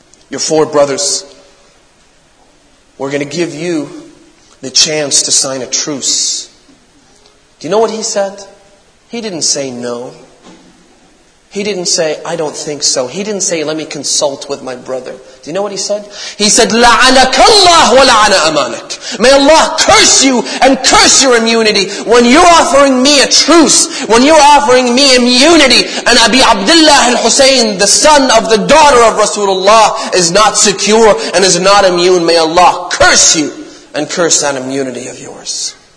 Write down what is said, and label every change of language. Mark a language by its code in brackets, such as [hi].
[en] Your four brothers. We're going to give you the chance to sign a truce. Do you know what he said? He didn't say no. He didn't say, I don't think so. He didn't say, let me consult with my brother. Do you know what he said? He said, [ar] لَعَنَكَ اللَّهُ وَلَعَنَ أَمَانَكَ. [en] May Allah curse you and curse your immunity when you're offering me a truce, when you're offering me immunity, and Abi Abdullah al-Hussein, the son of the daughter of Rasulullah, is not secure and is not immune. May Allah curse you and curse that immunity of yours.